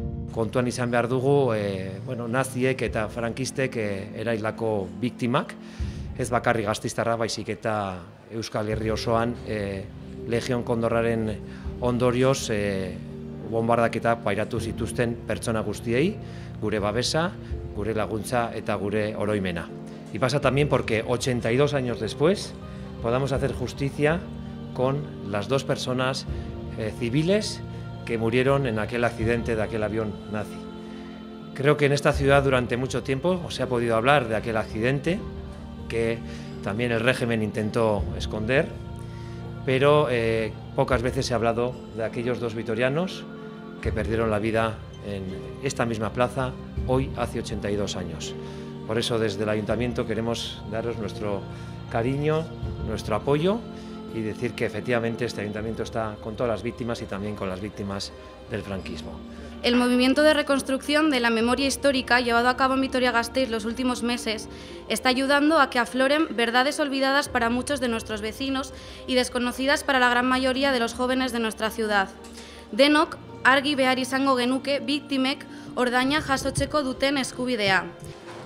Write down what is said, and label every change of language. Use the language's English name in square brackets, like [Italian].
[Basque] kontuan izan behar dugu, bueno, naziek eta frankistek erailako biktimak, ez bakarri gaztiztara, baizik eta Euskal Herri osoan Legion Kondorraren ondorioz bombardaketa pairatu zituzten pertsona guztiei, gure babesa, gure laguntza eta gure oroimena. [Spanish] Y pasa también porque 82 años después podamos hacer justicia con las dos personas civiles que murieron en aquel accidente de aquel avión nazi. Creo que en esta ciudad durante mucho tiempo se ha podido hablar de aquel accidente que también el régimen intentó esconder, pero pocas veces se ha hablado de aquellos dos vitorianos que perdieron la vida en esta misma plaza hoy hace 82 años. Por eso desde el Ayuntamiento queremos daros nuestro cariño, nuestro apoyo y decir que efectivamente este Ayuntamiento está con todas las víctimas y también con las víctimas del franquismo. El movimiento de reconstrucción de la memoria histórica llevado a cabo en Vitoria-Gasteiz los últimos meses está ayudando a que afloren verdades olvidadas para muchos de nuestros vecinos y desconocidas para la gran mayoría de los jóvenes de nuestra ciudad. [Basque] Denok argi behar izango genuke biktimek ordaina jasotzeko duten eskubidea.